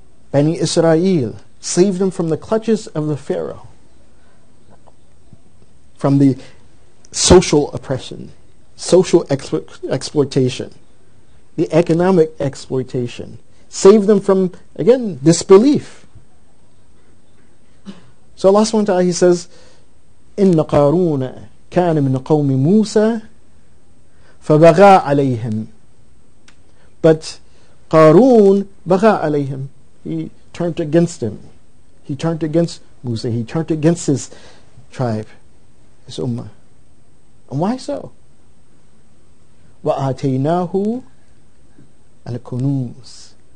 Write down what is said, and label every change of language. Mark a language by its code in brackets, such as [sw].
[en] Bani Israel, save them from the clutches of the Pharaoh, from the social oppression, social exploitation, the economic exploitation. Save them from, again, disbelief. So Allah subhanahu wa ta'ala, he says, [ar] إِنَّ قَارُونَ كَانَ مِنْ قَوْمِ مُوسَى فَبَغَى عَلَيْهِمْ. [en] But Qarun, [ar] بَغَى عَلَيْهِمْ, [en] he turned against him. He turned against Musa. He turned against his tribe, his ummah. And why so? [ar] وَآتَيْنَاهُ الْكُنُوزِ.